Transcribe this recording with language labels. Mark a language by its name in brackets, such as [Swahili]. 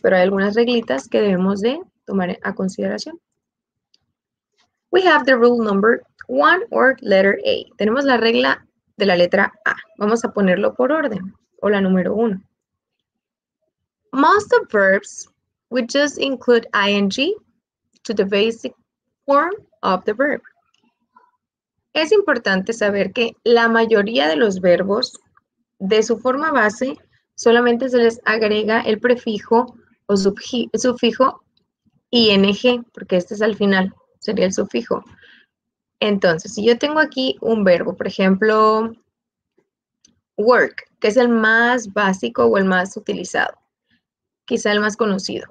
[Spanish] Pero hay algunas reglitas que debemos de tomar a consideración. [English] We have the rule number one or letter A. [Spanish] Tenemos la regla de la letra A. Vamos a ponerlo por orden. O la número uno. [English] Most of verbs, we just include ing to the basic form of the verb. [Spanish] Es importante saber que la mayoría de los verbos, de su forma base, solamente se les agrega el prefijo o sufijo ing, porque este es al final, sería el sufijo. Entonces, si yo tengo aquí un verbo, por ejemplo, work, que es el más básico o el más utilizado, quizá el más conocido.